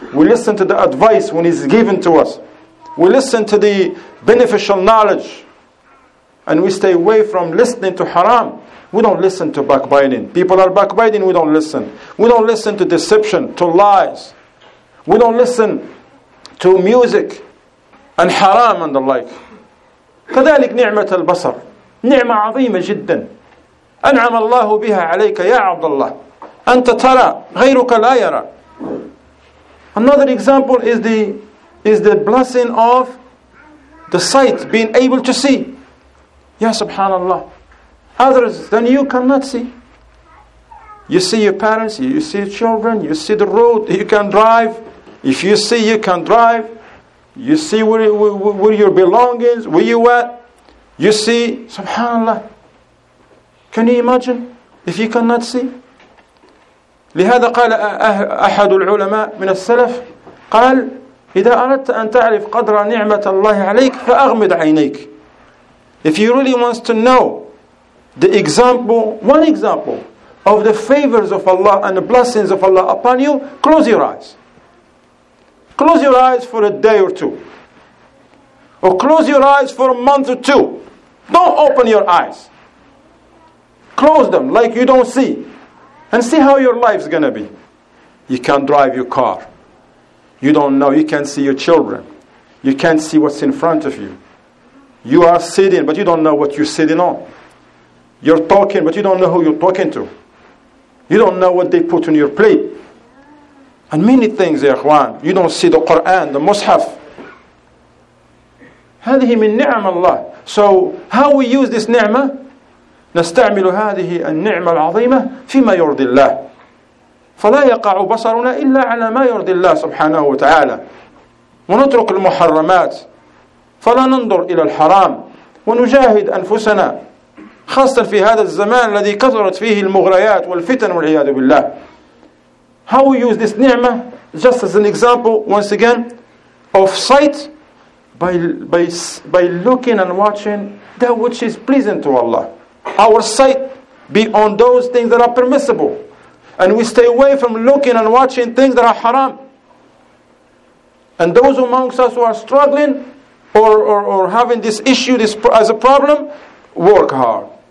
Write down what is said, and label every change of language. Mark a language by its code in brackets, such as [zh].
[en] We listen to the advice when it's given to us. We listen to the beneficial knowledge. And we stay away from listening to haram. We don't listen to backbiting. People are backbiting, we don't listen. We don't listen to deception, to lies. We don't listen to music and haram and the like. [ar] كذلك نعمة البصر نعمة عظيمة جدا. أنعم الله بها عليك يا عبد الله. أنت ترى غيرك لا يرى. [en] Another example is the blessing of the sight, being able to see. [ar] يا سبحان الله. [en] Others than you cannot see. You see your parents, you see children, you see the road, you can drive. If you see, you can drive. You see where your belongings, where you at. You see, subhanAllah. Can you imagine if you cannot see? [ar] لهذا قال أحد العلماء من السلف قال إذا أردت أن تعرف قدر نعمة الله عليك فأغمض عينيك. [en] If you really want to know the example, one example of the favors of Allah and the blessings of Allah upon you, close your eyes. Close your eyes for a day or two. Or close your eyes for a month or two. Don't open your eyes. Close them like you don't see. And see how your life's going to be. You can't drive your car. You don't know. You can't see your children. You can't see what's in front of you. You are sitting, but you don't know what you're sitting on. You're talking, but you don't know who you're talking to. You don't know what they put on your plate. And many things, ikhwan, you don't see the Quran, the Mus'haf. [ar] هذه من نعم الله. [en] So how we use this نعمة? [ar] نستعمل هذه النعمة العظيمة فيما يرضي الله. فلا يقع بصرنا إلا على ما يرضي الله سبحانه وتعالى. ونترك المحرمات. فلا ننظر إلى الحرام. ونجاهد أنفسنا. خاصة في هذا الزمان الذي كثرت فيه المغريات والفتن والعياذ بالله. [en] How we use this ni'mah, just as an example, once again, of sight, by looking and watching that which is pleasing to Allah. Our sight be on those things that are permissible. And we stay away from looking and watching things that are haram. And those amongst us who are struggling or having this issue this as a problem, work hard.